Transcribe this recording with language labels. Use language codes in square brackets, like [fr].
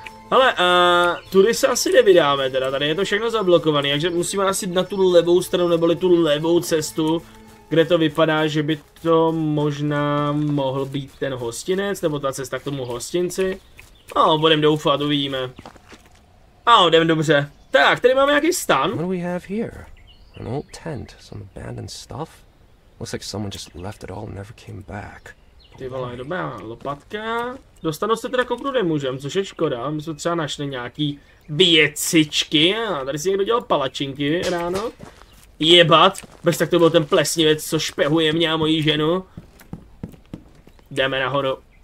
[cs] Ale tudy se asi nevydáme teda, tady je to všechno zablokované, takže musíme asi na tu levou stranu, neboli tu levou cestu, kde to vypadá, že by to možná mohl být ten hostinec, nebo ta cesta k tomu hostinci. A no, budeme doufat, uvidíme. A no, jdeme dobře. Tak, tady máme nějaký stan. [en] What do we have here? An old tent, some abandoned stuff? Looks like someone just left it all and never came back. [cs] Ty vole, dobrá lopatka. Dostanu se teda kouknu nemůžem, což je škoda. My jsme třeba našli nějaký věcičky. A tady si někdo dělal palačinky ráno. Jebat, bez tak to byl ten plesnivec, co špehuje mě a moji ženu. Jdeme nahoru.